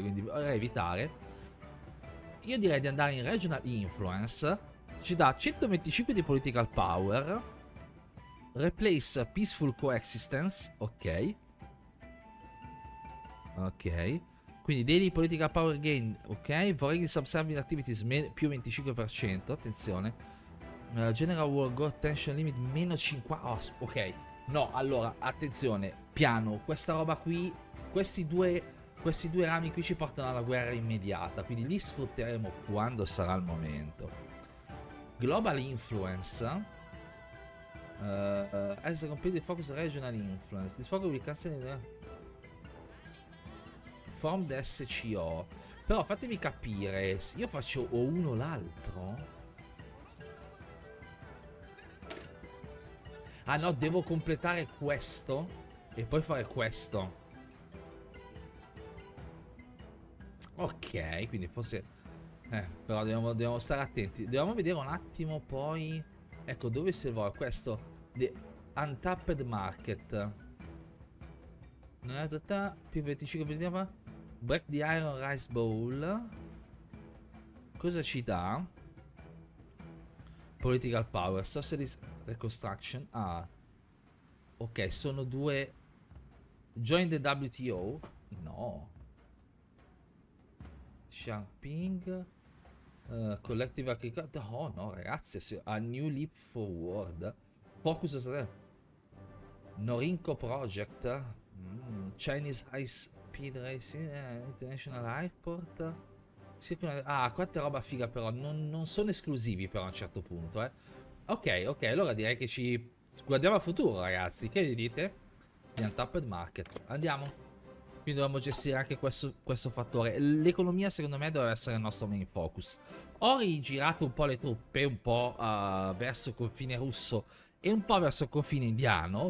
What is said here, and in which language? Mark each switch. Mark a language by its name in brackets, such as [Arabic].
[Italian] Quindi vorrei evitare. Io direi di andare in Regional Influence, ci dà 125 di Political Power, Replace Peaceful Coexistence, ok, quindi Daily Political Power Gain, ok, Foreign Subservient Activities, più 25%, attenzione, General World Growth Tension Limit, meno 5%, ok, no, allora, attenzione, piano, questa roba qui, questi due... questi due rami qui ci portano alla guerra immediata, quindi li sfrutteremo quando sarà il momento. [English] Global influence. As a completely focused regional influence. This focus will cancel from the SCO. [Italian] Però fatemi capire, io faccio o uno o l'altro? Ah no, devo completare questo e poi fare questo. Ok, quindi forse... però dobbiamo stare attenti. Dobbiamo vedere un attimo poi... Ecco, dove si va questo? The Untapped Market. Più 25 minuti fa. Break the Iron Rice Bowl. Cosa ci dà? Political Power. Socialist Reconstruction. Ah. Ok, sono due... [English] Join the WTO? No. Xiangping. Collective Agriculture. Oh no, ragazzi. A New Leap Forward. Focus on... Norinco Project. Chinese High Speed Racing. International Airport. [Italian] Ah, quanta roba figa però. Non sono esclusivi però a un certo punto. Ok, allora direi che ci... Guardiamo al futuro, ragazzi. Che vi dite? The Untapped Market. Andiamo. Quindi dobbiamo gestire anche questo fattore. L'economia, secondo me, deve essere il nostro main focus. Ho rigirato un po' le truppe, un po' verso il confine russo e un po' verso il confine indiano.